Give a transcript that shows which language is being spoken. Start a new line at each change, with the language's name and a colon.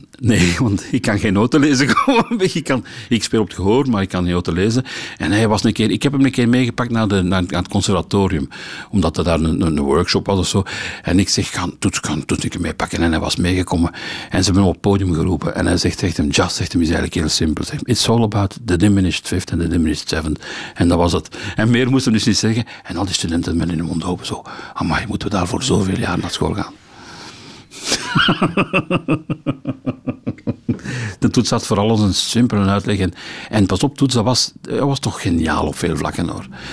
Dutch: Nee, want ik kan geen noten lezen. Ik speel op het gehoor, maar ik kan geen noten lezen. En hij was een keer... Ik heb hem een keer meegepakt naar het conservatorium. Omdat er daar een workshop was of zo. En ik zeg, kan Toets een keer meepakken. En hij was meegekomen. En ze hebben hem op het podium geroepen. En hij zegt hem, is eigenlijk heel simpel.
English: Zeg, it's all about the diminished fifth and the diminished seventh.
Dutch: En dat was het. En meer moest hem dus niet zeggen. En al die studenten met in de mond open zo. Amai, moeten we daar voor zoveel jaar naar school gaan? De Toets had voor alles een simpele uitleg. En pas op, Toets, dat was toch geniaal op veel vlakken hoor.